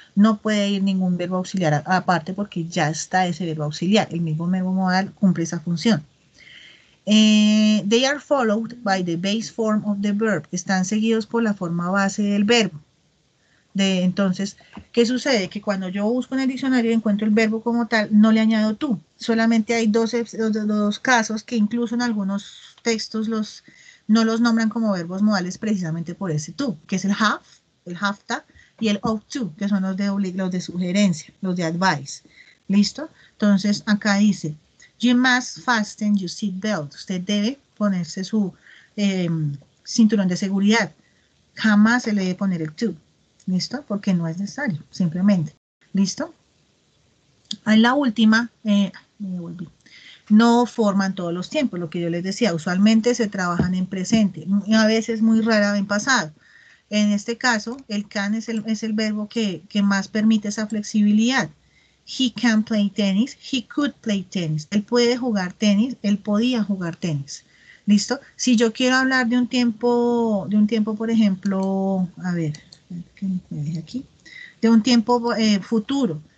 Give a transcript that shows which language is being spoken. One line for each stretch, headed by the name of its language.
Spanish: No puede ir ningún verbo auxiliar aparte porque ya está ese verbo auxiliar. El mismo verbo modal cumple esa función.
English: They are followed by the base form of the verb.
Spanish: Están seguidos por la forma base del verbo. Entonces, ¿qué sucede? Que cuando yo busco en el diccionario y encuentro el verbo como tal, no le añado to. Solamente hay dos casos que incluso en algunos textos no los nombran como verbos modales precisamente por ese to, que es el have to y el ought to, que son los de sugerencia, los de advice. ¿Listo? Entonces, acá dice,
English: you must fasten your seatbelt.
Spanish: Usted debe ponerse su cinturón de seguridad. Jamás se le debe poner el to. ¿Listo? Porque no es necesario, simplemente. ¿Listo? En la última, me volví. No forman todos los tiempos, lo que yo les decía. Usualmente se trabajan en presente, a veces muy rara en pasado. En este caso, el can es el verbo que más permite esa flexibilidad.
English: He can play tennis, he could play tennis.
Spanish: Él puede jugar tenis, él podía jugar tenis. ¿Listo? Si yo quiero hablar de un tiempo, por ejemplo, a ver. Que me deje aquí, de un tiempo futuro.